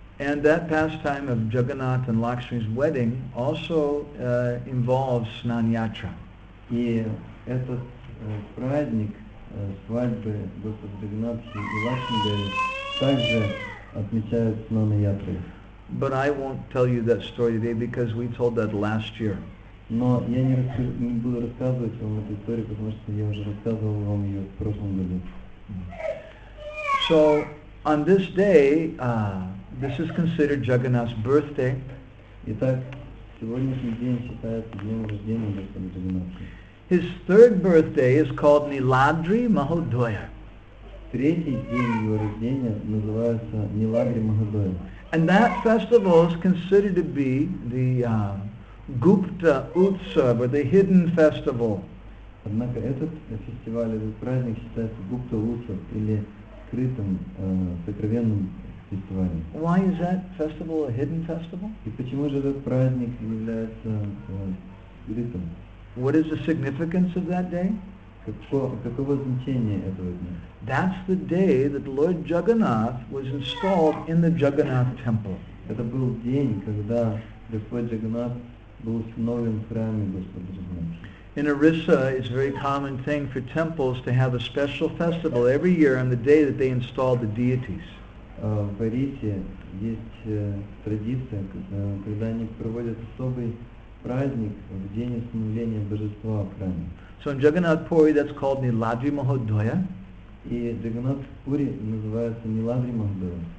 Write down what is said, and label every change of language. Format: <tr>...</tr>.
<en>And that pastime of Jagannath and Lakshmi's wedding also involves Snan Yatra.</en> <ru>И этот праздник свадьбы Господа Джагнатхи и Лакшми также отмечают Снан-Ятры.</ru> <en>But I won't tell you that story today because we told that last year.</en> <ru>Но я не буду рассказывать вам эту историю, потому что я уже рассказывал вам ее в прошлом году.</ru> <en>So, on this day, this is considered Jagannath's birthday.</en> <ru>Итак, сегодняшний день считается днем рождения Господа Джагнатхи.</ru> <en>His third birthday is called Niladri Mahodaya.</en> <ru>Третий день его рождения называется Niladri Mahodaya.</ru> <en>And that festival is considered to be the Gupta Utsav, or the hidden festival.</en> <ru>Однако этот фестиваль, этот праздник считается Gupta Utsav, или скрытым, сокровенным фестивалем.</ru> <en>Why is that festival a hidden festival?</en> <ru>И почему же этот праздник является скрытым?</ru> <en>What is the significance of that day?</en> <ru>Каково значение этого дня?</ru> <en>That's the day that Lord Jagannath was installed in the Jagannath temple.</en> <ru>Это был день, когда Господь Джагнат был установлен в храме Господа Джагнатхи.</ru> <en>In Orissa, it's a very common thing for temples to have a special festival every year on the day that they install the deities.</en> <ru>В Орисе есть традиция, когда они проводят особый праздник в день установления божества в храме.</ru> <en>So in Jagannath Puri, that's called Niladri Mahodaya.</en> <ru>И Джаганнат Пури называется Нилагри Мандала.</ru>